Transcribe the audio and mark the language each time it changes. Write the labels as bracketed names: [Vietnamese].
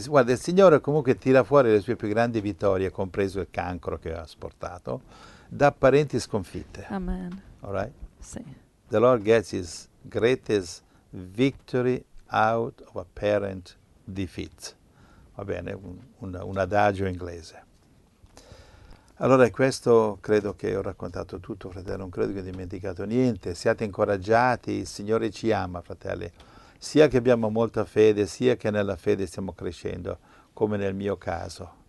[Italian] Guarda, il Signore comunque tira fuori le sue più grandi vittorie, compreso il cancro che ha asportato, da parenti sconfitte. Amen. [English] All right? [Italian] Sì. [English] The Lord gets his greatest victory out of apparent defeat. [Italian] Va bene, un adagio inglese. Allora, questo credo che ho raccontato tutto, fratello, non credo che ho dimenticato niente. Siate incoraggiati, il Signore ci ama, fratelli. Sia che abbiamo molta fede, sia che nella fede stiamo crescendo, come nel mio caso.